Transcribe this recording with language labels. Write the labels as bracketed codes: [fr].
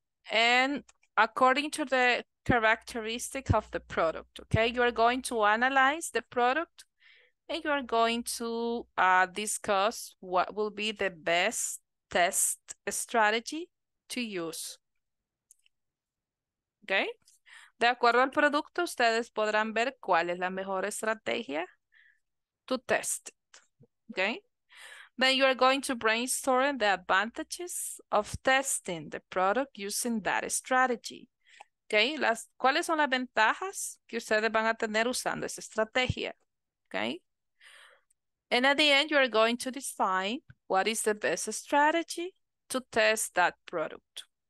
[en] And according to the characteristic of the product, okay, you are going to analyze the product and you are going to discuss what will be the best test strategy to use. Okay. [es] De acuerdo al producto, ustedes podrán ver cuál es la mejor estrategia [en] to test. Okay, then you are going to brainstorm the advantages of testing the product using that strategy. [es] Okay, las, ¿cuáles son las ventajas que ustedes van a tener usando esa estrategia? [en] Okay, and at the end, you are going to define what is the best strategy to test that product.